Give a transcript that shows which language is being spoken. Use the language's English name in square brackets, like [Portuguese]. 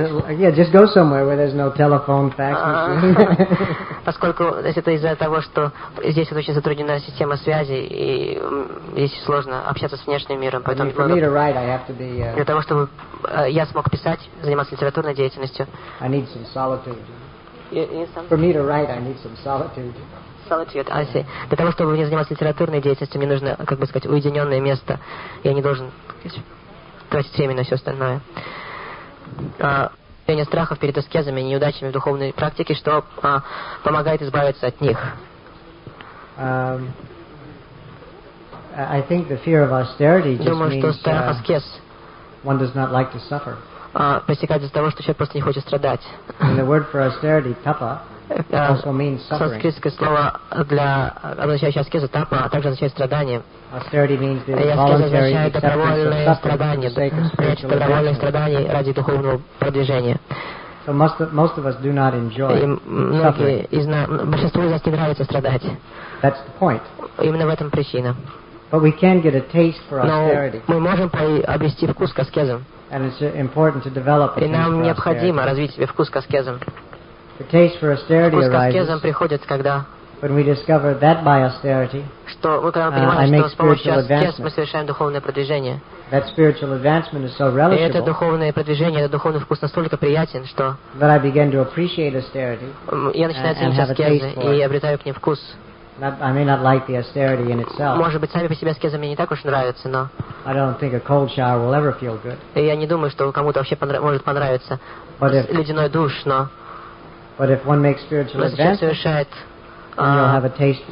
[English] Yeah, just go somewhere where there's no telephone, fax machine. [Russian] Поскольку это из-за того, что здесь очень затруднена система связи и здесь сложно общаться с внешним миром, поэтому [English] for me to write, I have to be. [Russian] Для того чтобы я смог писать, заниматься литературной деятельностью. [English] I need some solitude. For me to write, I need some solitude. Solitude, I see. [Russian] Для того чтобы мне заниматься литературной деятельностью, мне нужно, как бы сказать, уединенное место. Я не должен тратить время на все остальное. Уменьшение страхов перед аскезами и неудачами в духовной практике, что помогает избавиться от них. [English] I think the fear of austerity just [Russian] думаю, что страх аскез [English] one does not like to suffer. [Russian] Проистекает из-за того, что человек просто не хочет страдать. [English] And the word for austerity, tapa, also means suffering. [Russian] Санскритское слово для обозначающее аскезу тапа, а также означает страдание. [English] Austerity means the voluntary acceptance of suffering for the [Russian] страдание ради духовного продвижения. [English] So most of us do not enjoy suffering. [Russian] Большинство из нас не нравится страдать. [English] That's the point. [Russian] Именно в этом причина. [English] But we can get a taste for austerity. [Russian] Но мы можем обрести вкус к аскезам. [English] And it's important to develop. [Russian] И нам необходимо развить себе вкус к аскезам. [English] The taste for austerity arises. [Russian] Приходит, когда [English] when we discover that by austerity, [Russian] что мы когда понимаем, что с помощью аскез мы совершаем духовное продвижение. [English] That spiritual advancement is so relishable. [Russian] И это духовное продвижение, этот духовный вкус настолько приятен, что [English] that I begin to appreciate austerity. [Russian] Я начинаю ценить аскезы и обретаю к ним вкус. [English] I may not like the austerity in itself. [Russian] Может быть, сами по себе аскезы мне не так уж нравятся, но [English] I don't think a cold shower will ever feel good. [Russian] И я не думаю, что кому-то вообще может понравиться ледяной душ, но [English] but if one makes spiritual advancement, then you'll have a taste for